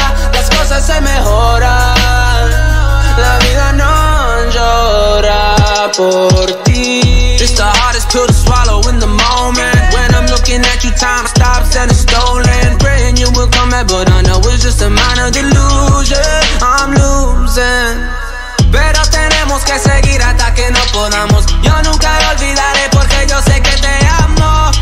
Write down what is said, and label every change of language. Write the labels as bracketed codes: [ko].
[es] Las cosas se mejoran, la vida no llora. por ti. [en] It's the hardest pill to swallow in the moment. When I'm looking at you, time stops and it's stolen. Praying you will come back, but I know it's just a minor delusion. I'm losing. [es] Pero tenemos que seguir hasta que no podamos. Yo nunca lo olvidaré porque yo sé que te amo.